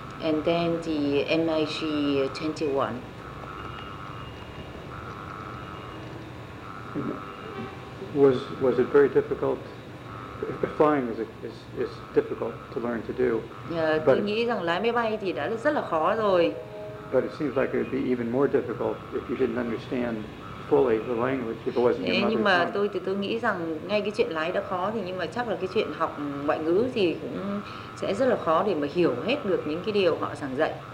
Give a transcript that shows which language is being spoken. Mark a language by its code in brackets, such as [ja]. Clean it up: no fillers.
[en] And then the MiG 21. Was it very difficult? Flying is difficult to learn to do. [vi] Yeah, tôi nghĩ rằng lái máy bay thì đã rất là khó rồi. [en] But it seems like it would be even more difficult if you didn't understand fully the language if it wasn't your mother tongue. [vi] Nhưng mà tôi nghĩ rằng ngay cái chuyện lái đã khó thì nhưng mà chắc là cái chuyện học ngoại ngữ thì cũng sẽ rất là khó để mà hiểu hết được những cái điều họ giảng dạy.